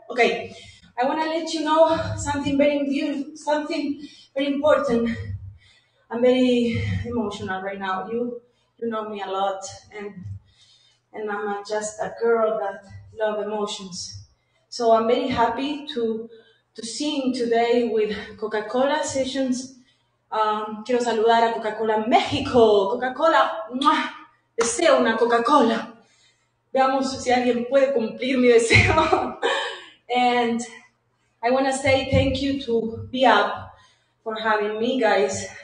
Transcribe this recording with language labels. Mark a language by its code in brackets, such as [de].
[en] Okay, I want to let you know something very beautiful, something very important. I'm very emotional right now. You know me a lot, and I'm just a girl that loves emotions. So I'm very happy to sing today with Coca-Cola Sessions. [es] Quiero saludar a Coca-Cola México. Coca-Cola, ¡mua! Deseo una Coca-Cola. Veamos si alguien puede cumplir mi deseo. [en] And I want to say thank you to BIAB for having me, guys.